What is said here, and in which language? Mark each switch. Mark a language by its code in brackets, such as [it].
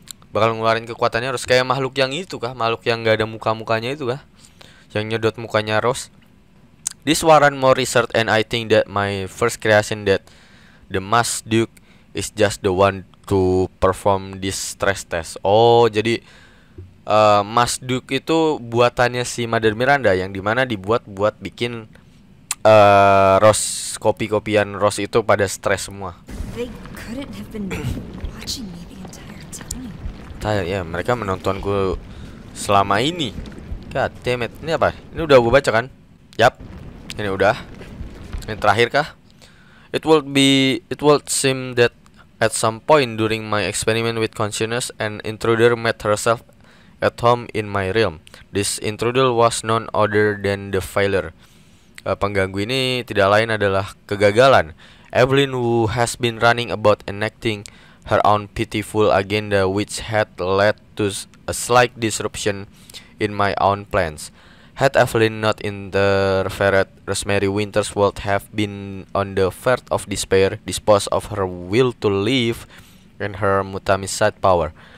[id] Bakal ngeluarin kekuatannya Rose kayak makhluk yang itu kah? Makhluk yang enggak ada muka-mukanya itu kah? Yang nyedot mukanya Rose. [en] This warrant more research and I think that my first creation that the Mask Duke is just the one to perform this stress test. [id] Oh, jadi Mask Duke itu buatannya si Mother Miranda yang dimana dibuat buat bikin Rose, kopi-kopian Rose itu pada stres semua. [en] They couldn't have been watching me the entire time. [id] Tayang, ya, mereka menontonku selama ini. [en] God damn it. [id] Ini apa? Ini udah gue baca kan? Yap. Ini udah. Ini terakhir kah? [en] It would seem that at some point during my experiment with consciousness, an intruder met herself at home in my realm. This intruder was none other than the failure. [id] Pengganggu ini tidak lain adalah kegagalan. [en] Evelyn, who has been running about enacting her own pitiful agenda, which had led to a slight disruption in my own plans. Had Evelyn not interfered, Rosemary Winters would have been on the verge of despair, disposed of her will to live and her mutamisite power.